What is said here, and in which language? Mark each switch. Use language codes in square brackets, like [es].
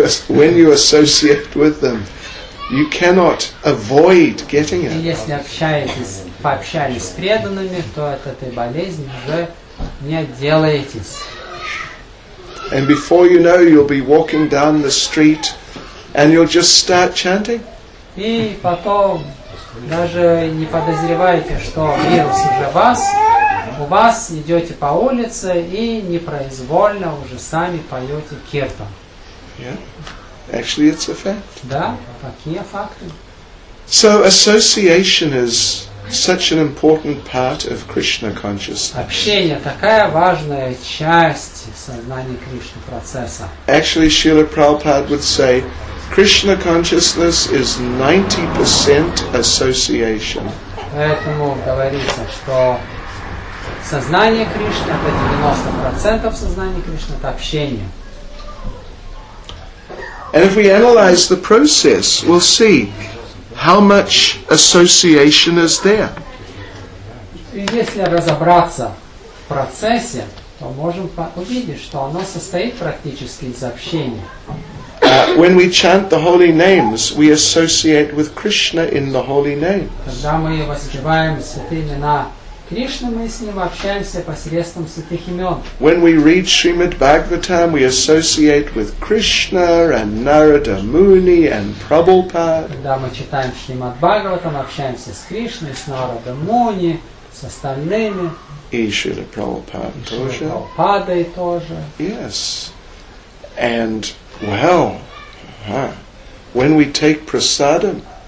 [en] When you associate with them, you cannot avoid getting it. [ru] Если общаетесь, пообщались с преданными, то от этой болезни уже не отделаетесь. [en] And before you know, you'll be walking down the street, and you'll just start chanting. [ru] И потом даже не подозреваете, что вирус уже вас. У вас идете по улице и непроизвольно уже сами поете киртан. [en] Actually, it's a fact. [ru] Да, такие факты. [en] So association is such an important part of Krishna consciousness. [ru] Общение такая важная часть сознания Кришны процесса. [en] Actually, Srila Prabhupada would say, Krishna consciousness is 90% association. [ru] Поэтому говорится, что сознание Кришны, это 90% сознания Кришны, это общение. [en] And if we analyze the process, we'll see how much association is there. [ru] Если разобраться в процессе, то можем увидеть, что оно состоит практически из общения. [en] When we chant the holy names, we associate with Krishna in the holy name. [ru] Когда мы воспеваем святые имена Кришны, мы с ним общаемся посредством святых имен. [en] When we read Srimad Bhagavatam, we associate with Krishna and Narada Muni and Prabhupada. [ru] Когда мы читаем Шримад Бхагаватам, общаемся с Кришной, с Нарада Муни, с остальными. И Шрила Прабхупада тоже. [en] Yes. And, well, when we take prasadam.